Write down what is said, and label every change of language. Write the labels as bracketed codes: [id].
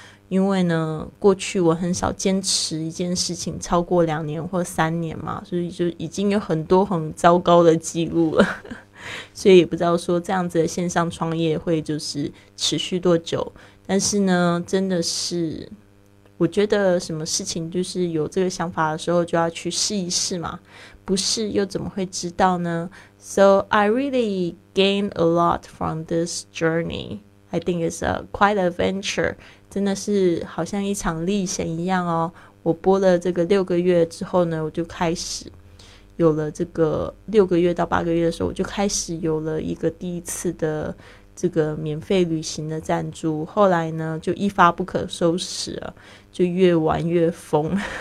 [zh] 因为呢过去我很少坚持一件事情超过两年或三年嘛，所以就已经有很多很糟糕的记录了。所以也不知道说这样子的线上创业会就是持续多久，但是呢真的是我觉得什么事情就是有这个想法的时候就要去试一试嘛，不试又怎么会知道呢？ [en] So I really gained a lot from this journey. I think it's quite a adventure. [zh] 真的是好像一场历险一样哦。我播了这个六个月之后呢，我就开始有了这个六个月到八个月的时候，我就开始有了一个第一次的这个免费旅行的赞助。后来呢，就一发不可收拾了，就越玩越疯。